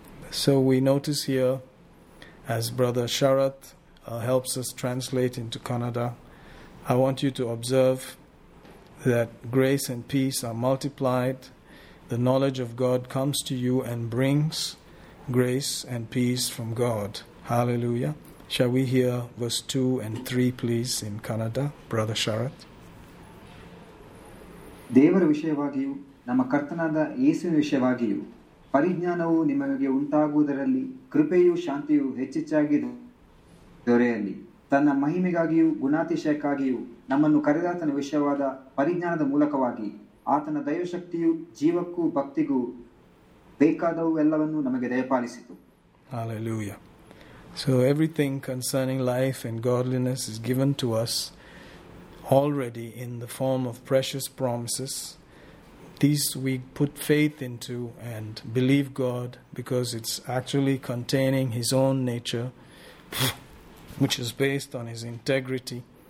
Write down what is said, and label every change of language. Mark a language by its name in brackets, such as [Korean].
[English] So we notice here, as Brother Sharat helps us translate into Kannada, I want you to observe that grace and peace are multiplied. The knowledge of God comes to you and brings grace and peace from God. Hallelujah. Shall we hear verse 2 and 3, please, in Kannada, Brother Sharat? [Kannada] Devar Vishavagiyu, Namakartanada, Yesu Vishavagiyu, Parijnanavu Nimage Untagudarali, Kripeyu Shantiyu, Hechichagi Doreyalli, Tana Mahimegagiyu, Gunati Shekagiyu, ನಮ್ಮನ್ನು ಕರೆದಾತನ ವಿಷಯವಾದ ಪರಿಜ್ಞಾನದ ಮೂಲಕವಾಗಿ ಆತನ ದೈವಶಕ್ತಿಯು ಜೀವಕ್ಕೂ ಭಕ್ತಿಗೂ ಬೇಕಾದವು ಎಲ್ಲವನ್ನೂ ನಮಗೆ ದಯಪಾಲಿಸಿತು. [English] Hallelujah. So everything concerning life and godliness is given to us already in the form of precious promises. These we put faith into and believe God because it's actually containing his own nature, which is based on his integrity.